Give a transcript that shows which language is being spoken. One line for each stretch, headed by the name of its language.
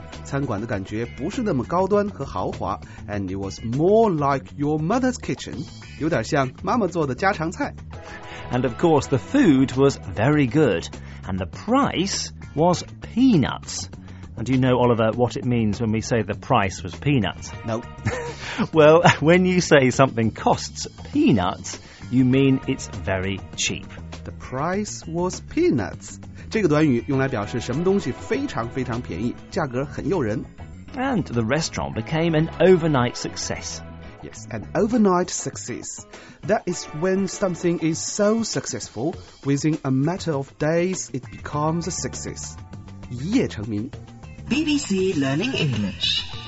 Chinese: 餐馆的感觉不是那么高端和豪华。
English: And it was more like your mother's kitchen.
Chinese: 有点像妈妈做的家常菜。
English: And of course, the food was very good. And the price was peanuts. And do you know, Oliver, what it means when we say the price was peanuts? Nope. Well, when you say something costs peanuts, you mean it's very cheap. The price was peanuts.
Chinese: 这个短语用来表示什么东西非常非常便宜，价格很诱人。
English: And the restaurant became an overnight success. Yes, an overnight success. That is when something is so successful, within a matter of days, it becomes a success.
Chinese: 一夜成名。
English: BBC Learning English.